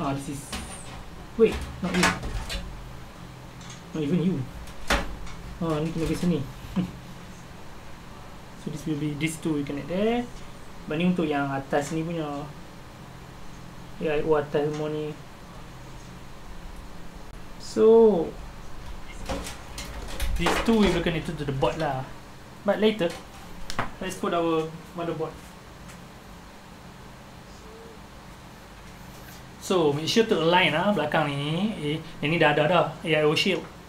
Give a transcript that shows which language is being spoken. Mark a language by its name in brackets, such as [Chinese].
[English] This is, wait, not you, not even you. [Malay] Ni kena ke sini. [English] So this will be, this two we connect there. [Malay] But ni untuk yang atas ni punya. Ya, yeah, atas semua ni. [English] So this two we will connect to the board lah. But later, let's put our motherboard. So make sure to align [Malay] lah belakang ni. Ini dah ada dah AIO shield.